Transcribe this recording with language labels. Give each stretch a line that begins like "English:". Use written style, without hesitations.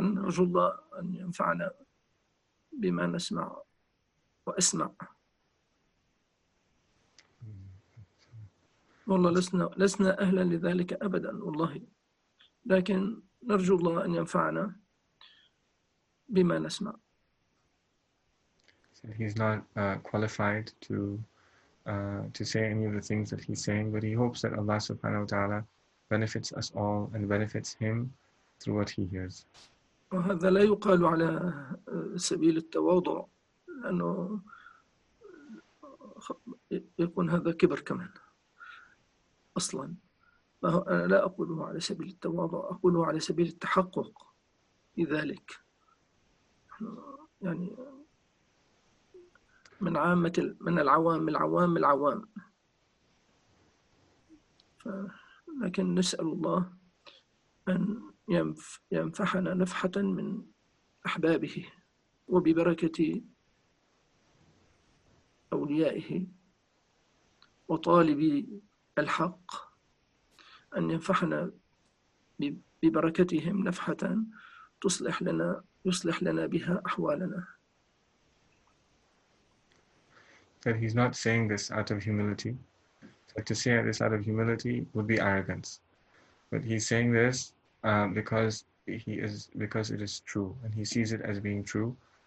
Arabic: نرجو الله أن ينفعنا بما نسمع وأسمع. والله لسنا أهلا لذلك أبدا والله، لكن نرجو الله أن ينفعنا بما نسمع.
English: He's not qualified to say any of the things that he's saying, but he hopes that Allah subhanahu wa ta'ala benefits us all and benefits him through what he hears.
Arabic: وهذا لا يقال على سبيل التواضع لأنه يكون هذا كبر كمان أصلا. أنا لا أقوله على سبيل التواضع، أقوله على سبيل التحقق لذلك. يعني من عامة من العوام لكن نسأل الله أن ينفحنا نفحة من أحبابه وببركة أوليائه وطالبي الحق أن ينفحنا ببركتهم نفحة يصلح لنا بها أحوالنا.
English: That he's not saying this out of humility. That to say this out of humility would be arrogance. But he's saying this because it is true, and he sees it as being true.